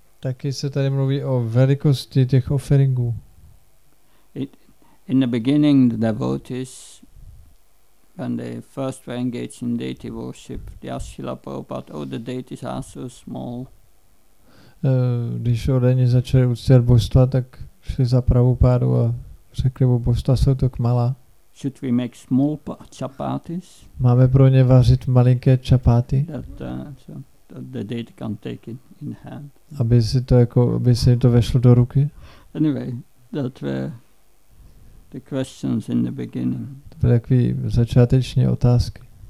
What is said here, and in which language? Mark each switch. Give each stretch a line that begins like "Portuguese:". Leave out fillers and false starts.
Czech: Taky se tady mluví o velikosti těch offeringů.
English: In the beginning, the devotees, when they first were engaged in deity worship, they asked Srila Prabhupada, oh, the deities are so small.
Czech: Když oni začali uctívat božstva, tak šli za Prabhupádu a řekli mu, božstva jsou tak malá.
English: Should we make small chapatis?
Czech: Máme pro ně vařit malinké čapáty?
English: That the deity can take it in hand.
Czech: Aby si to jako, aby se to vešlo do ruky?
English: Anyway, that were the questions in the beginning.
Czech: To byly takové začáteční otázky.